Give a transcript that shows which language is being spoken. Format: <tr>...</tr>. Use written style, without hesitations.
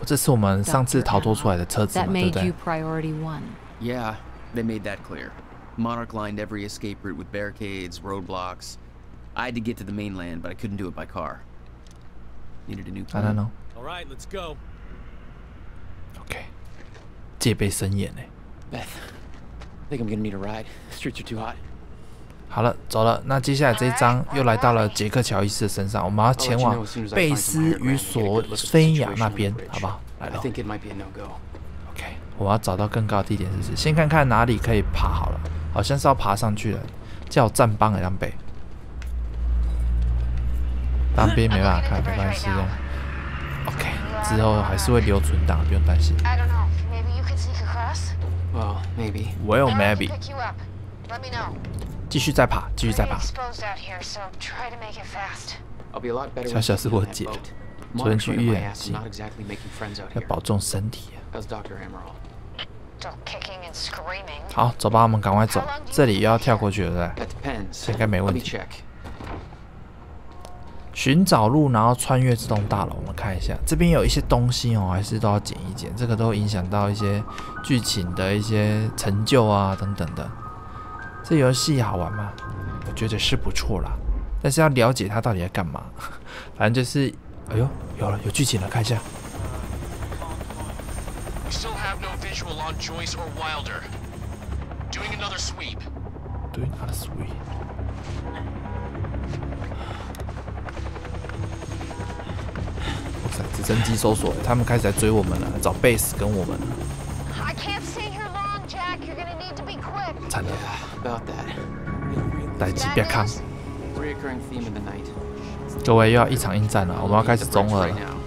<zh>这是我们上次逃脱出来的车子嘛，对不对</zh> <en>？Yeah, they made that clear. Monarch lined every escape route with barricades, roadblocks. I had to get to the mainland, but I couldn't do it by car. Needed a new plan. I don't know. All right, let's go.</en> <zh>Okay. 戒备森严呢</zh> <en>Beth, I think I'm gonna need a ride. The streets are too hot.</en> <zh>好了，走了。那接下来这一章又来到了杰克乔伊斯的身上。我们要前往贝斯与索菲亚那边，好不好？来了。</zh> <en>I think it might be a no-go. Okay.</en> <zh>我要找到更高的地点，是不是？先看看哪里可以爬好了。好像是要爬上去了，叫战邦两倍。当兵没办法看，没关系的。OK， 之后还是会留存档，不用担心。</zh> <en>I don't know. Maybe you could sneak across. Well, maybe. Well, maybe. Let me pick you up. Let me know.</en> <zh>继续再爬，继续再爬。</zh> <en>Exposed out here, so try to make it fast. I'll be a lot better.</en> <zh>小小是我姐，昨天去医院，要保重身体、啊。</zh> <en>How's Dr. Amaral? Still kicking and screaming.</en> <zh>好，走吧，我们赶快走。这里又要跳过去了，对？</zh> <en>That depends.</en> <zh>应该没问题。寻找路，然后穿越这栋大楼。我们看一下，这边有一些东西哦，还是都要捡一捡。这个都影响到一些剧情的一些成就啊，等等的。这游戏好玩吗？我觉得是不错啦，但是要了解它到底在干嘛。反正就是，哎呦，有了，有剧情了，看一下。</zh> <en>We still have no visual on Joyce or Wilder. Doing another sweep. Doing another sweep.</en> <zh>直升机搜索，他们开始在追我们了，找 base 跟我们了。</zh> <en>I can't stay here long, Jack. You're gonna need to be quick.</en> <zh>惨了。</zh> <en>About that.</en> <zh>待机，别看。</zh> <en>Reoccurring theme of the night.</en> <zh>各位又要一场硬战了，我们要开始中二了。</zh>